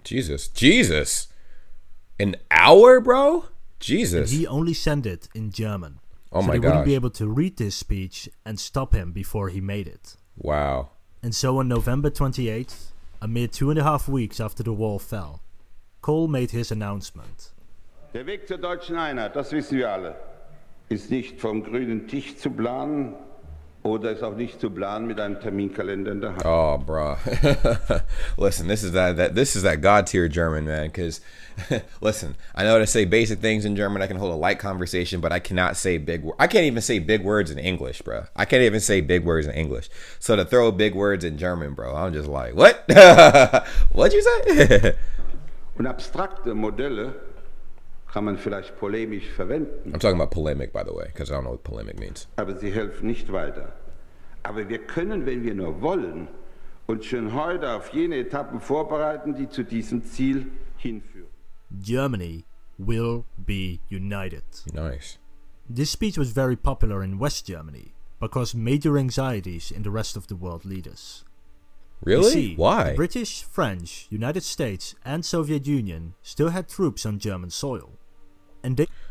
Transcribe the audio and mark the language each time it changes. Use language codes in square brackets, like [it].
[en] Jesus. An hour, bro? Jesus. And he only sent it in German. Oh, my God. So they wouldn't be able to read this speech and stop him before he made it. Wow. And so on November 28th, a mere 2.5 weeks after the wall fell, Kohl made his announcement. [de] Der Weg zur deutschen Einheit, das wissen wir alle, ist nicht vom grünen Tisch zu planen oder ist auch nicht zu planen mit einem Terminkalender in der Hand. [en] Oh, bruh. Listen, this is that God-tier German, man, because, listen, I know how to say basic things in German, I can hold a light conversation, but I cannot say big words. I can't even say big words in English, bro. I can't even say big words in English. So to throw big words in German, bro, I'm just like, what? What'd you say? [de] Und abstrakte Modelle kann man vielleicht polemisch verwenden. [en] I'm talking about polemic, by the way, because I don't know what polemic means. [de] Aber sie helfen nicht weiter. Aber wir können, wenn wir nur wollen, und schon heute auf jene Etappen vorbereiten, die zu diesem Ziel hinführen. [en] Germany will be united. Nice. This speech was very popular in West Germany, but caused major anxieties in the rest of the world leaders. Really? You see, why? The British, French, United States, and Soviet Union still had troops on German soil. And they...